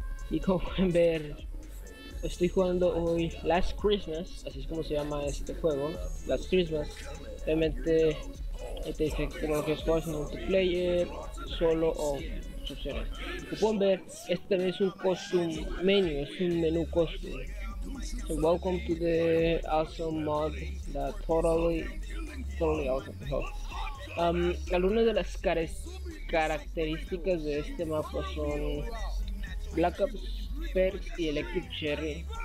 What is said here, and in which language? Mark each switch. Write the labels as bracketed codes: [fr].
[es] Y como pueden ver, estoy jugando hoy Last Christmas, así es como se llama este juego, Last Christmas. Realmente, este dice como lo que es jugar en multiplayer, solo o opciones. Como pueden ver, este también es un costume menu, es un menú costume. [en] So welcome to the awesome mod that totally awesome. [es] Algunas de las características de este mapa son Black Ops, Perks y Electric Cherry.